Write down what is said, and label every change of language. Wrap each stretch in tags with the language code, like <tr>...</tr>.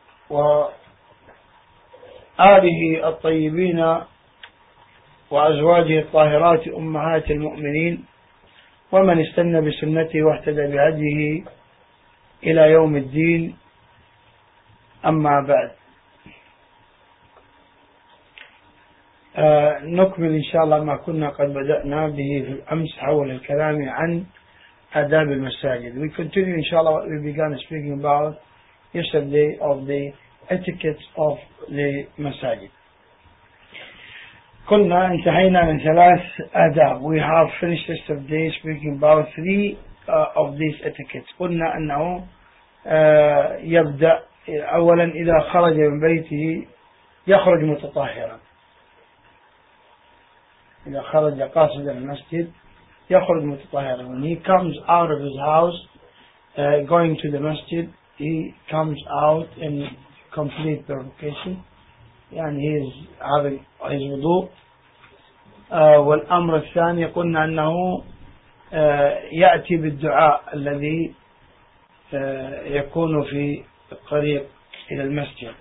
<ar>وآله الطيبين وأزواجه الطاهرات أمهات المؤمنين ومن استنى بسنته واهتدى بهديه إلى يوم الدين، أما بعد، نكمل إن شاء الله ما كنا قد بدأنا به في الأمس حول الكلام عن آداب المساجد.</ar> <en>We continue إن شاء الله what we began speaking about yesterday of the etiquette of the masajid.</en> <ar>كنا انتهينا من ثلاث آداب.</ar> <en>We have finished yesterday speaking about three of these etiquettes.</en> <ar>قلنا أنه يبدأ أولا إذا خرج من بيته يخرج متطهرا. إذا خرج قاصدا المسجد يخرج متطهرا.</ar> <en>When he comes out of his house going to the masjid, he comes out in complete purification. يعني he is having his wudu.</en> <ar>والأمر الثاني قلنا أنه يأتي بالدعاء الذي يكون في الطريق إلى المسجد.</ar>